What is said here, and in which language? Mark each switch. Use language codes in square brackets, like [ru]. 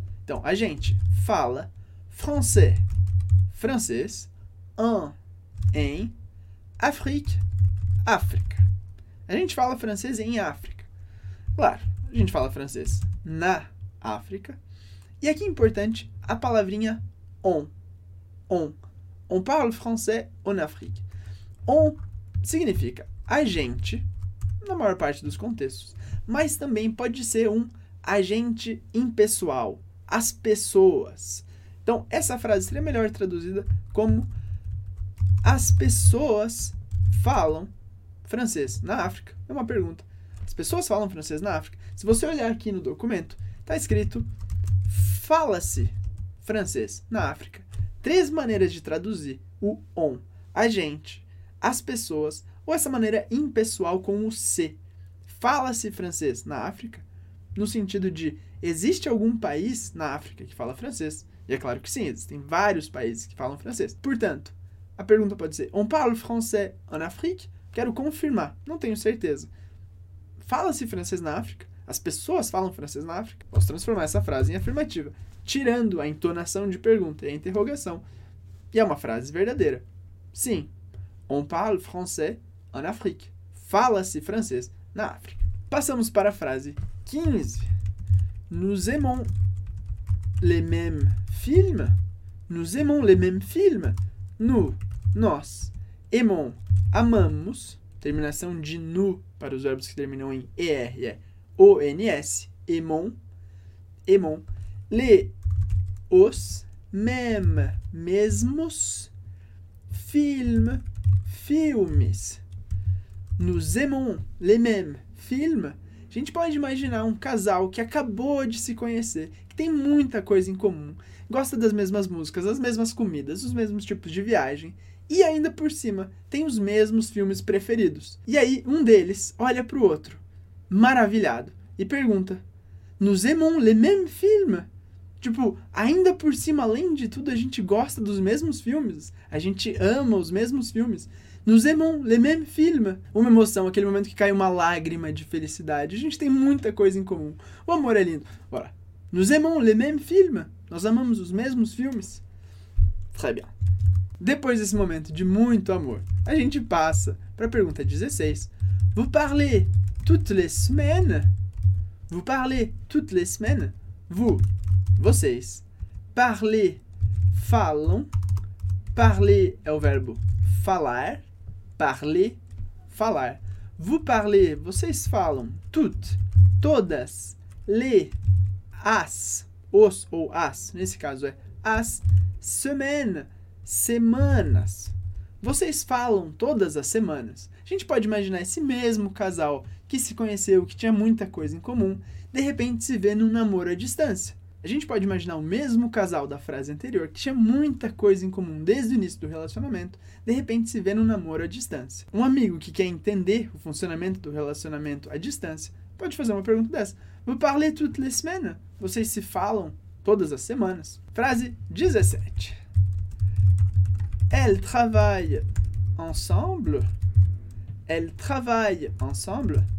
[pt] Então, a gente fala français, francês, em Afrique, África. A gente fala francês em África. Claro, a gente fala francês na África. E aqui é importante a palavrinha on. [fr] On. On parle français en Afrique. [pt] On significa a gente, na maior parte dos contextos. Mas também pode ser um agente impessoal. As pessoas. Então, essa frase seria melhor traduzida como as pessoas falam francês na África. É uma pergunta. As pessoas falam francês na África? Se você olhar aqui no documento, está escrito fala-se francês na África. Três maneiras de traduzir o on. A gente, as pessoas, ou essa maneira impessoal com o se. Fala-se francês na África? No sentido de, existe algum país na África que fala francês? E é claro que sim, existem vários países que falam francês. Portanto, a pergunta pode ser, [fr] on parle français en Afrique? [pt] Quero confirmar, não tenho certeza. Fala-se francês na África? As pessoas falam francês na África? Posso transformar essa frase em afirmativa, tirando a entonação de pergunta e a interrogação. E é uma frase verdadeira. [fr] Sim, on parle français en Afrique. [pt] Fala-se francês na África. Passamos para a frase 15. [fr] Nous aimons les mêmes films. Nous aimons les mêmes films. [pt] Nós. Aimons. Amamos. Terminação de nu para os verbos que terminam em er é ons. [fr] Aimons. Aimons. Les. Os. Mêmes. [pt] Mesmos. Films. Filmes. [fr] Nous aimons les mêmes films. [pt] A gente pode imaginar um casal que acabou de se conhecer, que tem muita coisa em comum, gosta das mesmas músicas, das mesmas comidas, os mesmos tipos de viagem, e ainda por cima, tem os mesmos filmes preferidos. E aí, um deles olha pro outro, maravilhado, e pergunta, [fr] nous aimons les mêmes films? [pt] Tipo, ainda por cima, além de tudo, a gente gosta dos mesmos filmes, a gente ama os mesmos filmes. [fr] Nous aimons les mêmes films. [pt] Uma emoção, aquele momento que cai uma lágrima de felicidade. A gente tem muita coisa em comum. O amor é lindo. Bora. [fr] Nous aimons les mêmes films. [pt] Nós amamos os mesmos filmes. [fr] Très bien. [pt] Depois desse momento de muito amor, a gente passa para a pergunta 16. [fr] Vous parlez toutes les semaines? Vous parlez toutes les semaines? [pt] Vous, vocês. Parlez, falam. Parlez é o verbo falar. Parler, falar. [fr] Vous parlez, [pt] vocês falam. Toutes, todas. Les, as, os ou as, nesse caso é as. Semaine, semanas. Vocês falam todas as semanas. A gente pode imaginar esse mesmo casal que se conheceu, que tinha muita coisa em comum, de repente se vê num namoro à distância. A gente pode imaginar o mesmo casal da frase anterior, que tinha muita coisa em comum desde o início do relacionamento, de repente se vê num namoro à distância. Um amigo que quer entender o funcionamento do relacionamento à distância pode fazer uma pergunta dessa. [fr] Vous parlez toutes les semaines? [pt] Vocês se falam todas as semanas? Frase 17. [fr] Elles travaillent ensemble. Elles travaillent ensemble.